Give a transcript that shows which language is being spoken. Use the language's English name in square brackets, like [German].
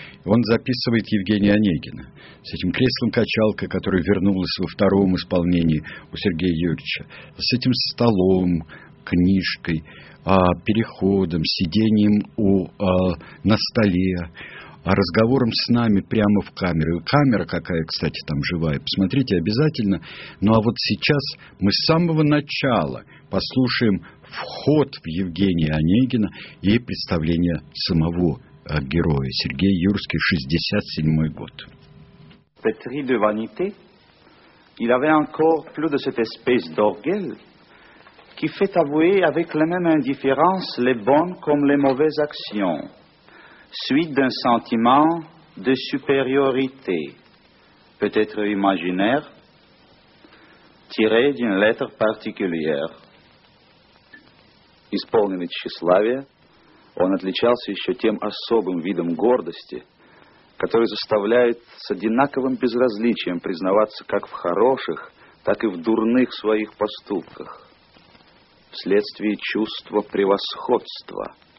[Russian] Он записывает Евгения Онегина с этим креслом-качалкой, которое вернулось во втором исполнении у Сергея Юрьевича, с этим столом, книжкой, переходом, сидением на столе, разговором с нами прямо в камеру. Камера какая, кстати, там живая. Посмотрите обязательно. Ну, а вот сейчас мы с самого начала послушаем вход в Евгения Онегина и представление самого героя. Сергей Юрский, 67-й год. [French] Petri de vanité, il avait encore plus de cette espèce d'orgueil qui fait avouer avec la même indifférence les bonnes comme les mauvaises actions. Suite d'un sentiment de supériorité, peut-être imaginaire, tiré d'une lettre particulière. [Russian] Исполненный тщеславия, он отличался еще тем особым видом гордости, который заставляет с одинаковым безразличием признаваться как в хороших, так и в дурных своих поступках, вследствие чувства превосходства.